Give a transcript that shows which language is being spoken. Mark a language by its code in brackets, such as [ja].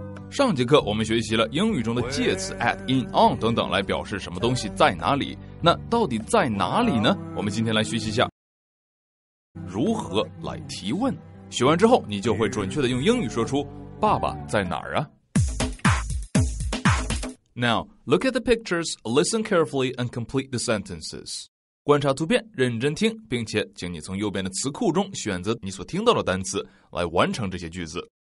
[zh] 上节课我们学习了英语中的介词 at, in, on 等等来表示什么东西在哪里。那到底在哪里呢？我们今天来学习一下如何来提问。学完之后你就会准确地用英语说出爸爸在哪儿啊。 [en] Now, look at the pictures, listen carefully and complete the sentences. [zh] 观察图片，认真听，并且请你从右边的词库中选择你所听到的单词来完成这些句子。